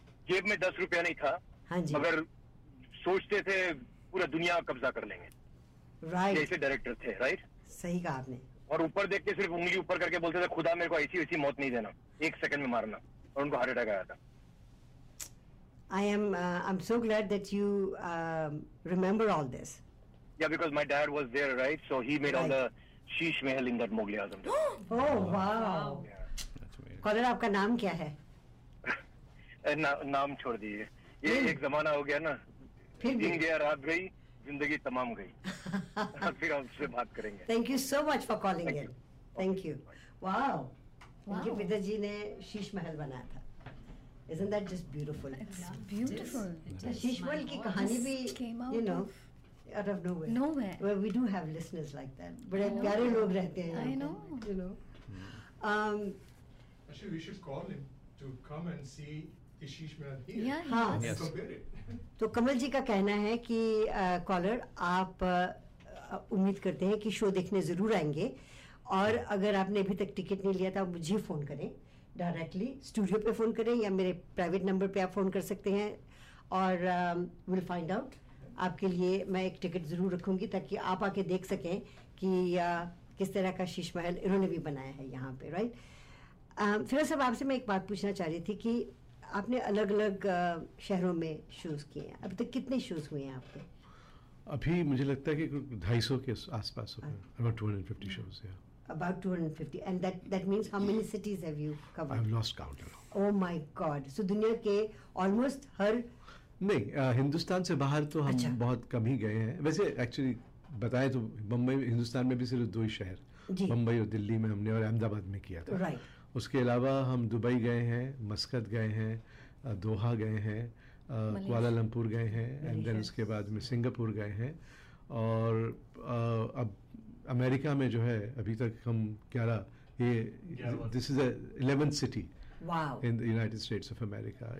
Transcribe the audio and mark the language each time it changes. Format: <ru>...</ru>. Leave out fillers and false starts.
<hi>जेब में 10 रुपया नहीं था. हाँ जी. मगर सोचते थे पूरा दुनिया कब्जा कर लेंगे जैसे डायरेक्टर थे.</hi> <en>right</en> <hi>सही कहा आपने. और ऊपर देख के सिर्फ उंगली ऊपर करके बोलते थे खुदा मेरे को ऐसी ऐसी मौत नहीं देना एक सेकंड में मारना. और उनको हार्ट अटैक आया था.</hi> <en>I'm so glad that you remember all this. Yeah, because my dad was there, right? So he made all the sheesh mahal in that Mughal-e-Azam. Oh, wow. Yeah. That's weird.</en> <hi>Caller, आपका नाम क्या है? नाम छोड़ दीजिए. ये एक जमाना हो गया ना. फिर दिन गया रात गई जिंदगी तमाम गई. फिर आपसे बात करेंगे.</hi> <en>Thank you so much for calling in. Thank you. Wow. Wow.</en> <hi>विदर जी ने शीश महल बनाया था.</hi> <en>Isn't that just beautiful? It's beautiful.</en> <hi>Sheesh Mahal की कहानी भी</hi> <en>you know out of nowhere. Nowhere. Well, we do have listeners like that.</en> <hi>बड़े प्यारे लोग रहते हैं.</hi> <en>I know. You know. Actually, we should call him to come and see the Sheesh Mahal here. Yeah.</en> <hi>हाँ.</hi> <en>Yes.</en> <hi>तो कमल जी का कहना है कि caller आप उम्मीद करते हैं कि शो देखने जरूर आएंगे. और अगर आपने अभी तक टिकट नहीं लिया था मुझे फ़ोन करें डायरेक्टली स्टूडियो पे फ़ोन करें या मेरे प्राइवेट नंबर पे आप फ़ोन कर सकते हैं और</hi> <en>Will find out.</en> <hi>आपके लिए मैं एक टिकट ज़रूर रखूँगी ताकि आप आके देख सकें कि किस तरह का शीश महल इन्होंने भी बनाया है यहाँ पे. राइट फिर सब आपसे मैं एक बात पूछना चाह रही थी कि आपने अलग अलग शहरों में शोज़ किए हैं. अभी तक कितने शोज़ हुए हैं आपके? अभी मुझे लगता है कि 250 के आस पास हो गए. 250 शोज़. या</hi> <en>About 250, and that means how many cities have you covered? I've lost count. Oh my God! So,</en> <hi>dunya ke</hi> <en>almost har.</en> <hi>नहीं हिंदुस्तान से बाहर तो हम बहुत कम ही गए हैं. वैसे actually बताएं तो बम्बई हिंदुस्तान में भी सिर्फ दो ही शहर. जी. बम्बई और दिल्ली में हमने और अहमदाबाद में किया था.</hi> <en>Right.</en> <hi>उसके अलावा हम दुबई गए हैं, मस्कत गए हैं, दोहा गए हैं, कुआलालंपुर गए हैं,</hi> <en>and then</en> <hi>उसके बाद में सिंगापुर गए हैं, और अब अमेरिका में जो है अभी तक हम 11 ये</hi> <en>This is 11th city in the United States of America.</en>